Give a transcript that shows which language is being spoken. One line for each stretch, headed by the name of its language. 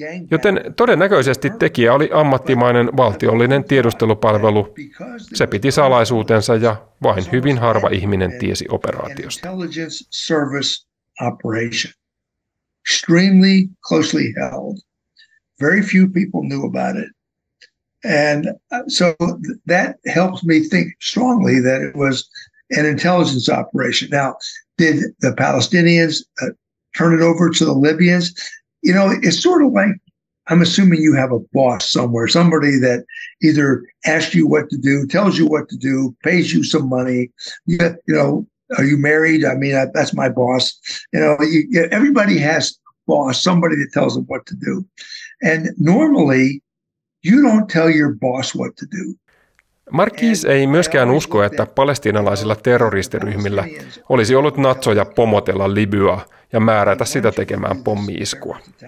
Finnish: Joten todennäköisesti tekijä oli ammattimainen valtiollinen tiedustelupalvelu. Se piti salaisuutensa ja vain hyvin harva ihminen tiesi operaatiosta.
English: Intelligence service operation. Extremely closely held. Very few people knew about it. And so that helps me think strongly that it was an intelligence operation. Now, did the Palestinians turn it over to the Libyans? You know, it's sort of like, I'm assuming you have a boss somewhere, somebody that either asks you what to do, tells you what to do, pays you some money. You know, are you married? I mean, that's my boss. You know, everybody has a boss, somebody that tells them what to do. And normally, you don't tell your boss what to do.
Finnish: Mark Gies ei myöskään usko, että palestiinalaisilla terroristiryhmillä olisi ollut natsoja pomotella Libyaa ja määrätä sitä tekemään pommi-iskua.